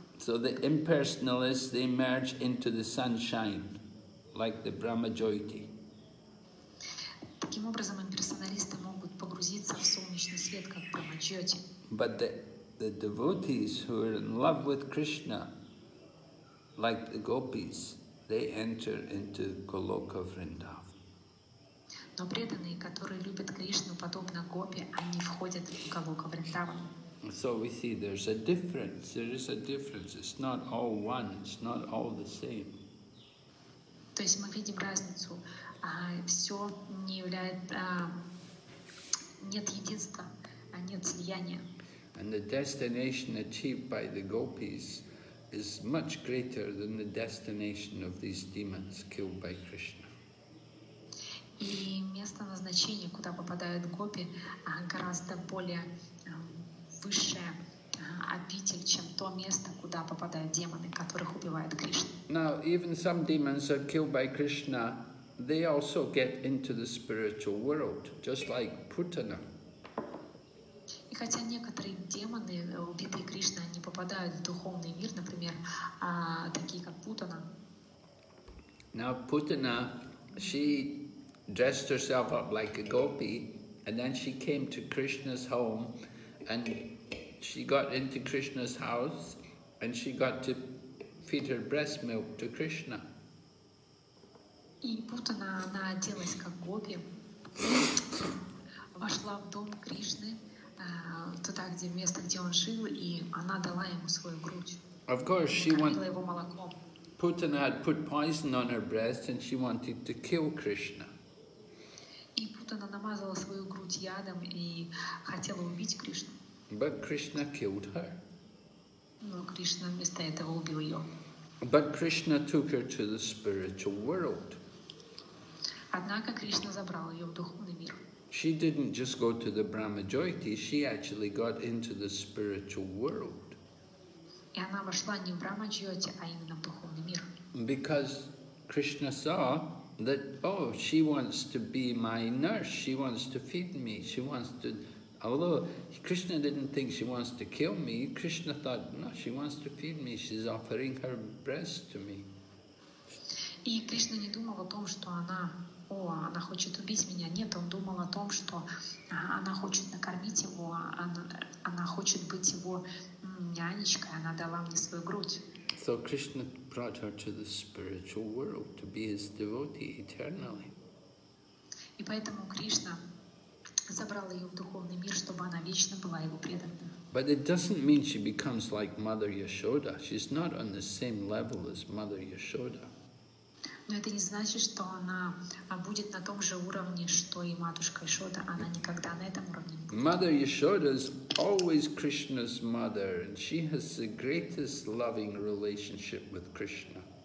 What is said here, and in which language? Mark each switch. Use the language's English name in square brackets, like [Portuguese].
[English] So the impersonalists, they merge into the sunshine, like the Brahmajyoti. [Russian] Таким образом, имперсоналисты могут погрузиться в солнечный свет, как Брахмаджоти. [English] But the devotees who are in love with Krishna, like the gopis, they enter into Goloka Vrindavan. [Russian] Но преданные, которые любят Кришну, подобно гопи, они входят в Голока Вриндаван. [English] So we see there's a difference. There is a difference. It's not all one. It's not all the same. [Russian] То есть мы видим разницу. Все не является, нет единства, нет слияния. [English] And the destination achieved by the gopis is much greater than the destination of these demons killed by Krishna. [Russian] И место назначения, куда попадают гопи, гораздо более высшая обитель, чем то место, куда попадают демоны, которых убивает Кришна. [English] Now, even some demons are killed by Krishna, they also get into the spiritual world, just like Putana. [Russian] И хотя некоторые демоны, убитые Кришной, они попадают в духовный мир, например, такие как Путана. [English] Now Putana, she dressed herself up like a gopi, and then she came to Krishna's home, and she got into Krishna's house, and she got to feed her breast milk to Krishna. [Russian] И Путана, она оделась как гопи, вошла в дом Кришны, туда, где место, где он жил, и она дала ему свою грудь. [English] Of course, she [Russian] кормила его молоком. [English] Putana had put poison on her breast, and she wanted to kill Krishna. [Russian] И Путана намазала свою грудь ядом и хотела убить Кришну. [English] But Krishna killed her. [Russian] Но Кришна вместо этого убил ее. [English] But Krishna took her to the spiritual world. [Russian] Однако Кришна забрал ее в духовный мир. [English] She didn't just go to the Brahmajyoti, she actually got into the spiritual world. [Russian] И она вошла не в Брахмаджоти, а именно в духовный мир. [English] Because Krishna saw that, oh, she wants to be my nurse, she wants to feed me, she wants to... Although Krishna didn't think she wants to kill me, Krishna thought, no, she wants to feed me, she's offering her breast to me. [Russian] И Кришна не думал о том, что она, о, она хочет убить меня. Нет, он думал о том, что она хочет накормить его, она хочет быть его нянечкой, она дала мне свою грудь. [English] So Krishna brought her to the spiritual world to be his devotee eternally. [Russian] И поэтому Кришна забрал ее в духовный мир, чтобы она вечно была его преданной. [English] But it doesn't mean she becomes like Mother Yashoda. She's not on the same level as Mother Yashoda. [Russian] Но это не значит, что она будет на том же уровне, что и матушка Яшода. Она никогда на этом уровне не будет. [English] Mother Yashoda is always Krishna's mother, and she has the greatest loving relationship with Krishna.